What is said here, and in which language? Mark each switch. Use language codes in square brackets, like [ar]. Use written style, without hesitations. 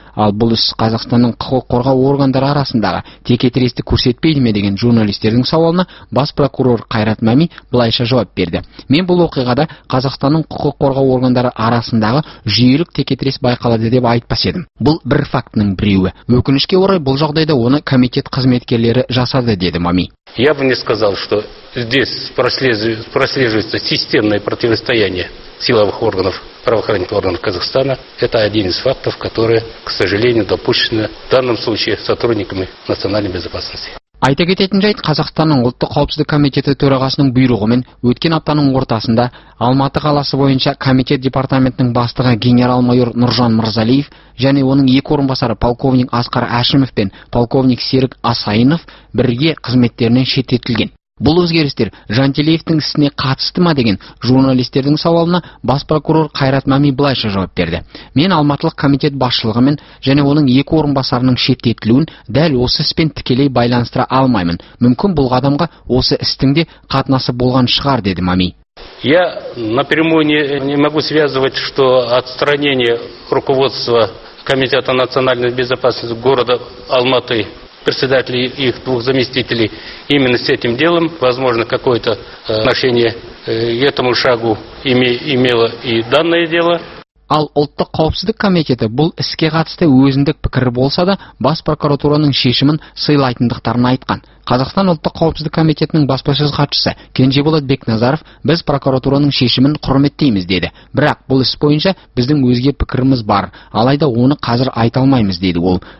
[kk] Ал бұл іс Қазақстанның құқық қорғау органдары арасындағы текетіресті көрсетпейді ме деген журналистердің сауалына бас прокурор Қайрат Мәми былайша жауап берді. Мен бұл оқиғада Қазақстанның құқық қорғау органдары арасындағы жүйелік текетірес байқалады деп айтпас едім. Бұл бір фактінің біреуі. Өкінішке орай бұл жағдайда оны комитет қызметкерлері жасады, деді Мами. [ru] Я бы не сказал, что здесь прослеживается системное противостояние силовых органов, правоохранительных органов Казахстана. Это один из фактов, которые, к сожалению, допущены в данном случае сотрудниками национальной безопасности. [kk] Айта кететін жайт, Қазақстанның ұлттық қауіпсіздік комитеті төрағасының бұйрығымен өткен аптаның ортасында Алматы қаласы бойынша комитет департаментінің бастығы генерал-майор Нұржан Мырзалиев және оның екі орынбасары полковник Асқар Әшімов пен полковник Серік Асайынов бірге қызметтерінен шеттетілген. Бұл өзгерістер Жантелеевтің ісіне қатысты ма деген журналистердің сауалына бас прокурор Қайрат Мәми былайша жауап берді. Мен алматылық комитет басшылығымен және оның екі орынбасарының шеттетілуін дәл осы іспен тікелей байланыстыра алмаймын. Мүмкін бұл адамға осы істің де қатынасы болған шығар, деді Мәми. [ru] Я напрямую не могу связывать, что отстранение руководства комитета национальной безопасности города Алматы председателей их двух заместителей именно с этим делом, возможно, какое-то отношение к этому шагу имело и данное дело. [kk] Ал ұлттық қауіпсіздік комитеті бұл іске қатысты өзіндік пікір болса да, бас прокуратураның шешімін сыйлайтындықтарын айтқан. Қазақстан ұлттық қауіпсіздік комитетінің баспасөз хатшысы Кенжеболат Бекназаров, біз прокуратураның шешімін құрметтейміз, деді. Бірақ бұл іс бойынша біздің өзге пікіріміз бар, алайда оны қазір айта алмаймыз, деді ол.